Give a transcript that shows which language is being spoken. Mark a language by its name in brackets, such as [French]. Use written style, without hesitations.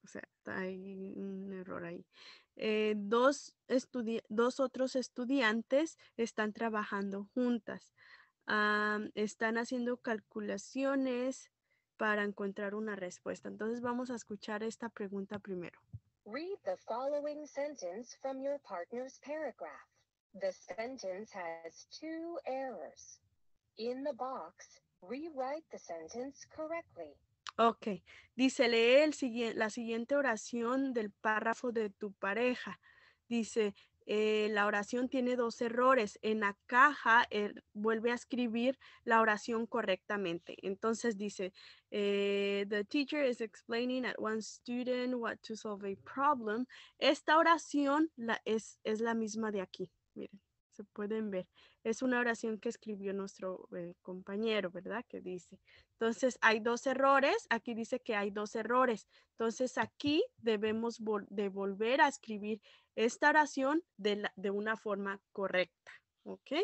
[Spanish] O sea, hay un error ahí. Dos otros estudiantes están trabajando juntas. Están haciendo calculaciones para encontrar una respuesta. Entonces vamos a escuchar esta pregunta primero. [English] Read the following sentence from your partner's paragraph. The sentence has two errors. In the box, rewrite the sentence correctly. [Spanish] Ok, dice, lee la siguiente oración del párrafo de tu pareja. Dice, la oración tiene dos errores. En la caja, vuelve a escribir la oración correctamente. Entonces dice, [English] the teacher is explaining at one student what to solve a problem. [Spanish] Esta oración es la misma de aquí. Miren, se pueden ver. Es una oración que escribió nuestro compañero, ¿verdad? Que dice, entonces hay dos errores. Aquí dice que hay dos errores. Entonces aquí debemos volver a escribir esta oración de una forma correcta, ¿ok?